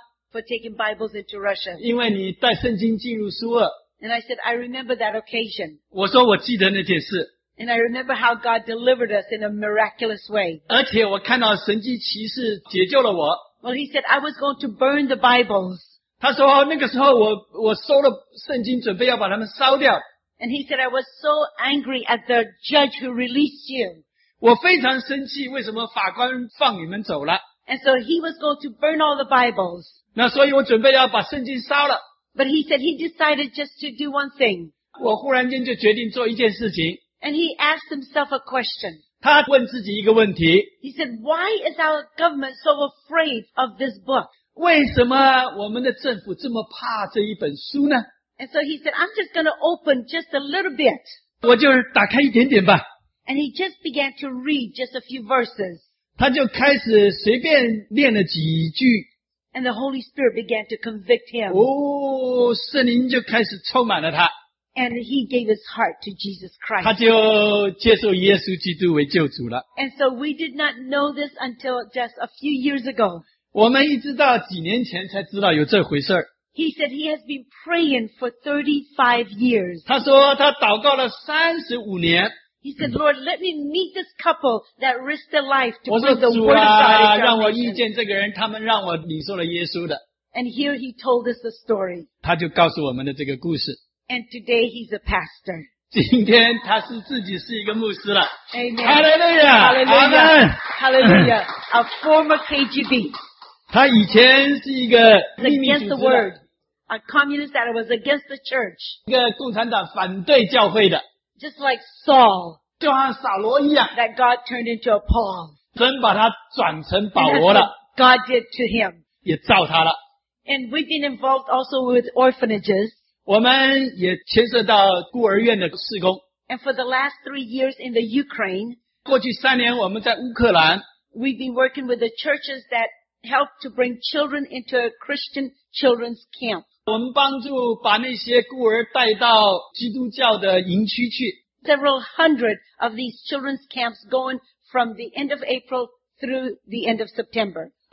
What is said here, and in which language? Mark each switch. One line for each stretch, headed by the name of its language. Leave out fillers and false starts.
English: For taking Bibles into Russia. And I said, I remember that occasion. And I remember how God delivered us in a miraculous way. Well, he said, I was going to burn the Bibles.
Chinese: 他说那个时候我收了圣经准备要把它们烧掉。
English: And he said, I was so angry at the judge who released you.
Chinese: 我非常生气，为什么法官放你们走了？
English: And so he was going to burn all the Bibles.
Chinese: 那所以我准备要把圣经烧了。
English: But he said he decided just to do one thing.
Chinese: 我忽然间就决定做一件事情。
English: And he asked himself a question.
Chinese: 他问自己一个问题。
English: He said, why is our government so afraid of this book?
Chinese: 为什么我们的政府这么怕这一本书呢？
English: And so he said, I'm just going to open just a little bit.
Chinese: 我就打开一点点吧。
English: And he just began to read just a few verses.
Chinese: 他就开始随便念了几句。
English: And the Holy Spirit began to convict him.
Chinese: 哦, 圣灵就开始充满了他。
English: And he gave his heart to Jesus Christ.
Chinese: 他就接受耶稣基督为救主了。
English: And so we did not know this until just a few years ago.
Chinese: 我们一直到几年前才知道有这回事。
English: He said he has been praying for 35 years.
Chinese: 他说他祷告了35年。
English: He said, Lord, let me meet this couple that risked their life to bring the word of God into our nation.
Chinese: 让我遇见这个人，他们让我领受了耶稣的。
English: And here he told us the story.
Chinese: 他就告诉我们的这个故事。
English: And today he's a pastor.
Chinese: 今天他是自己是一个牧师了。
English: Amen. Hallelujah. Hallelujah. Hallelujah. A former KGB.
Chinese: 他以前是一个秘密组织的。
English: Against the word. A communist that was against the church.
Chinese: 一个共产党反对教会的。
English: Just like Saul.
Chinese: 就像扫罗一样。
English: That God turned into a Paul.
Chinese: 真把他转成保罗了。
English: God did to him.
Chinese: 也造他了。
English: And we've been involved also with orphanages.
Chinese: 我们也牵涉到孤儿院的事工。
English: And for the last 3 years in the Ukraine.
Chinese: 过去3年我们在乌克兰。
English: We've been working with the churches that help to bring children into a Christian children's camp.
Chinese: 我们帮助把那些孤儿带到基督教的营区去。
English: Several hundred of these children's camps going from the end of April through the end of September.